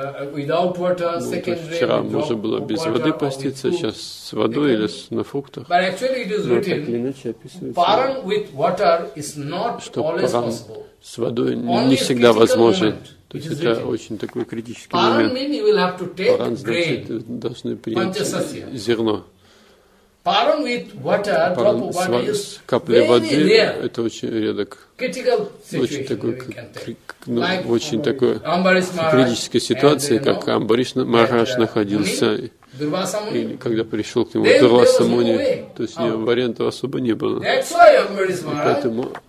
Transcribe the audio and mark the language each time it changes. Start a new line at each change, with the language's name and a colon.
Russian: Вчера можно было без воды поститься, сейчас с водой или на фруктах. Но так или иначе описывается, что Паран с водой не всегда возможен. То есть это очень такой критический момент. Паран, значит, должны принять зерно.
English: Паран with water, drop of water is very rare.
Russian: Капля воды – это очень редок. Очень такой, критической ситуации, как Амбариш Махарадж находился, или когда пришел к нему Дурваса Муни, то есть вариантов особо не было. И поэтому